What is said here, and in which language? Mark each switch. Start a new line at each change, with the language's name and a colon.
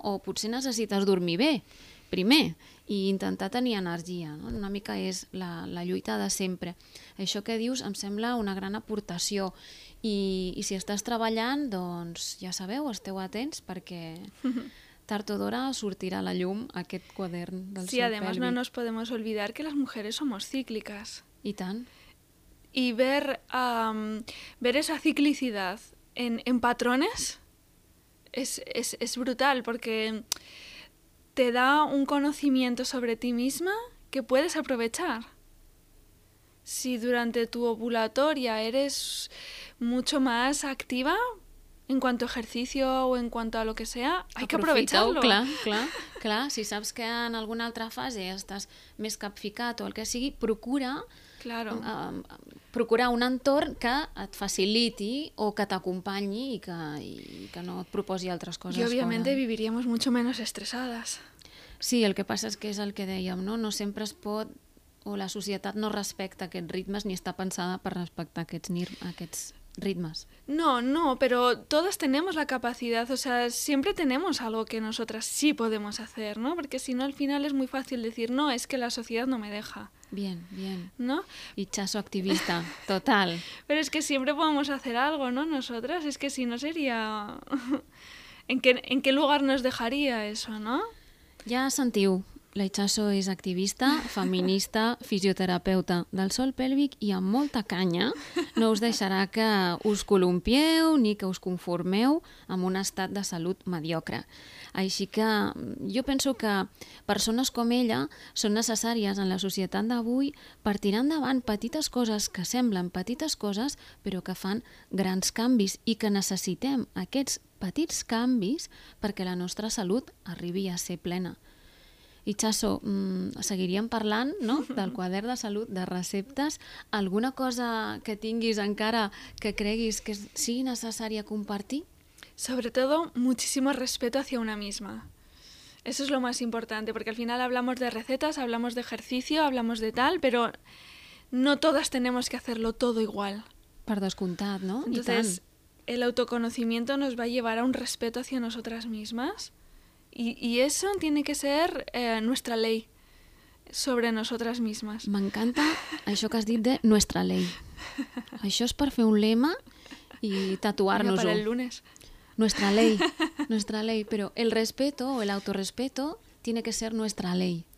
Catalan: O potser necessites dormir bé primer i intentar tenir energia, no? Una mica és la lluita de sempre. Això que dius em sembla una gran aportació i si estàs treballant, doncs ja sabeu, esteu atents perquè tard o d'hora sortirà a la llum aquest quadern del seu pelvi.
Spanish: Sí, además no nos podemos olvidar que las mujeres somos cíclicas.
Catalan: I tant.
Spanish: I ver esa ciclicidad en patrones es brutal porque te da un conocimiento sobre ti misma que puedes aprovechar. Si durante tu ovulatoria eres mucho más activa en cuanto a ejercicio o en cuanto a lo que sea, hay que aprovecharlo.
Catalan: Clar. Si saps que en alguna altra fase estàs més capficat o el que sigui, procura,
Spanish: claro,
Catalan: procurar un entorn que et faciliti o que t'acompanyi i que no et proposi altres coses.
Spanish: Y obviamente fora. Viviríamos mucho menos estresadas.
Catalan: Sí, el que passa és que és el que dèiem, no? No sempre es pot, o la societat no respecta aquests ritmes ni està pensada per respectar aquests ritmes.
Spanish: No, pero todas tenemos la capacidad, o sea, siempre tenemos algo que nosotras sí podemos hacer, ¿no? Porque si no, al final es muy fácil decir, no, es que la sociedad no me deja. Bien. ¿No? Hichazo activista, total. Pero es que siempre podemos hacer algo, ¿no? Nosotras, es que si no sería... ¿En qué lugar nos dejaría eso, no?
Catalan: Ja sentiu, la Hichazo és activista, feminista, fisioterapeuta del sol pèlvic i amb molta canya. No us deixarà que us columpieu ni que us conformeu amb un estat de salut mediocre. Així que jo penso que persones com ella són necessàries en la societat d'avui per tirar endavant petites coses que semblen petites coses però que fan grans canvis i que necessitem aquests petits canvis perquè la nostra salut arribi a ser plena. Hichazo, seguiríem parlant, no?, del quadern de salut, de receptes. Alguna cosa que tinguis encara que creguis que sigui necessària compartir?
Spanish: Sobre todo, muchísimo respeto hacia una misma. Eso es lo más importante, porque al final hablamos de recetas, hablamos de ejercicio, hablamos de tal, pero no todas tenemos que hacerlo todo igual.
Catalan: Per descomptat, no?
Spanish: Entonces, el autoconocimiento nos va a llevar a un respeto hacia nosotras mismas y eso tiene que ser nuestra ley sobre nosotras mismas.
Catalan: M'encanta això que has dit de
Spanish: nuestra ley.
Catalan: Això és per fer un lema i tatuar-nos-ho.
Spanish: Para el lunes. Nuestra ley, pero el respeto o el autorrespeto tiene que ser nuestra ley.